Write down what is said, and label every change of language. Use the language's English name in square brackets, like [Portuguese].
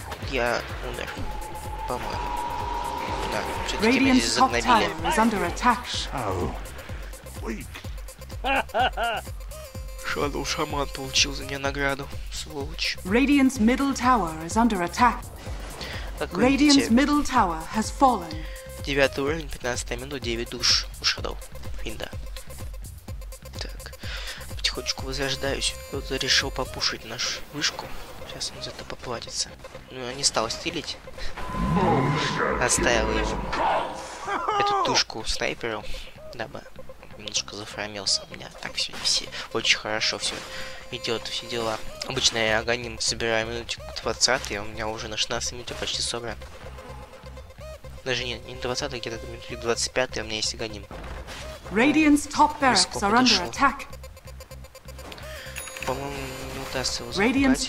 [Russian] Я умер. По-моему. Да, все-таки меня здесь загнобили. Шадоу Шаман получил за меня награду, сволочь. [English] Radiant's middle tower is under attack. Radiant's middle tower has fallen. [Russian] 9 уровень, 15 минут, 9 душ у Шадоу Финда. Так, потихонечку возрождаюсь. Кто-то решил попушить нашу вышку. Сейчас он за это поплатится. Ну, я не стал стилить. Оставил его. Эту тушку снайперу, дабы... Немножко зафрамился у меня. Так все, все очень хорошо все идет, все дела. Обычно я аганим собираю минутик 20, и у меня уже на 16 минуте почти собран. Даже не 20, а где-то минутик 25, и у меня есть аганим. [English] Radiant's top barracks are under attack. [Russian] По-моему, не удастся его забрать.